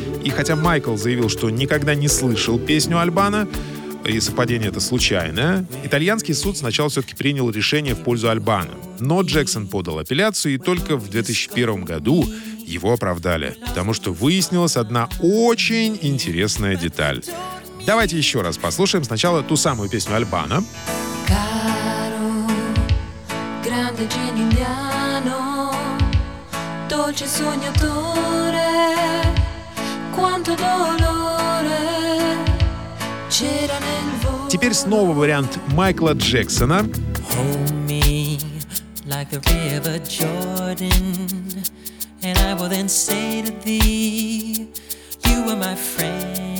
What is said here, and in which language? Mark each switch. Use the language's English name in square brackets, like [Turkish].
[Russian] И хотя Майкл заявил, что никогда не слышал песню Альбано, и совпадение это случайное, итальянский суд сначала все-таки принял решение в пользу Альбано. Но Джексон подал апелляцию, и только в 2001 году его оправдали, потому что выяснилась одна очень интересная деталь. Давайте еще раз послушаем сначала ту самую песню Альбано. [Italian] Caro, grande genio, dolce sognatore, quanto dolore c'era nel volo. [Russian] Теперь снова вариант Майкла Джексона. [English] Hold me like the river Jordan, and I will then say to thee, you are my friend.